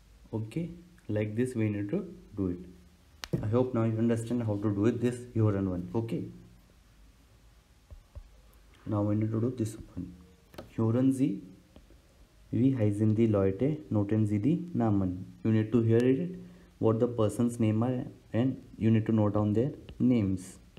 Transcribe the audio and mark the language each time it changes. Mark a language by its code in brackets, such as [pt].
[en] Okay, like this we need to do it. I hope now you understand how to do it this your own one. Okay. Now we need to do this one. [de] Hören Sie, wie heißen die Leute, noten Sie die Namen. [en] You need to hear it, what the person's name are, and you need to note down their names.